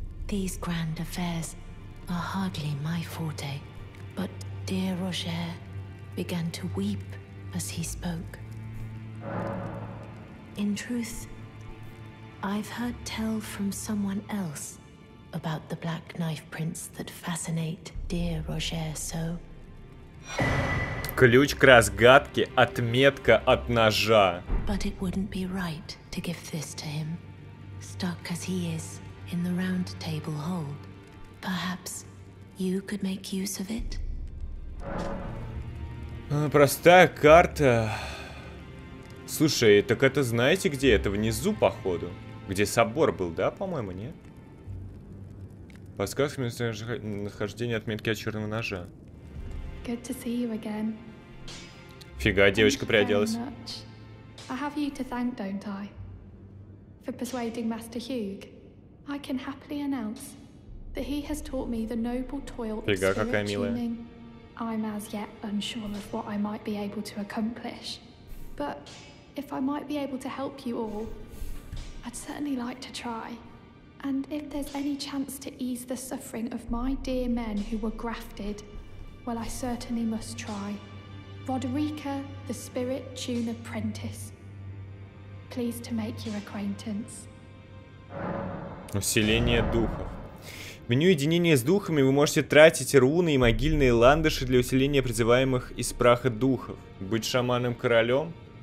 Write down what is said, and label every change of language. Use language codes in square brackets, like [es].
[en] These grand affairs are hardly my forte, but dear Roger began to weep as he spoke. In truth, I've heard tell from someone else about the black knife prints that fascinate dear Roger so. [ru] Ключ к разгадке, отметка от ножа. [en] But it wouldn't be right to give this to him, stuck as he is in the round table hold. Perhaps you could make use of it? [ru] Простая карта. Слушай, так это знаете где? Это внизу, походу. Где собор был, да, по-моему, нет? Подсказка место нахождения отметки от черного ножа. [en] Good to see you again. [ru] Фига, девочка приоделась. [en] I have you to thank, don't I? For persuading Master Hugh. I can happily announce that he has taught me the noble toil of spirit tuning. I'm as yet unsure of what I might be able to accomplish. But if I might be able to help you all, I'd certainly like to try. And if there's any chance to ease the suffering of my dear men who were grafted, well, I certainly must try. Roderica, the Spirit Tune Apprentice. Pleased to make your acquaintance. [ru] Усиление духов. Меню единения с духами вы можете тратить руны и могильные ландыши для усиления призываемых из праха духов. Быть шаманным королем?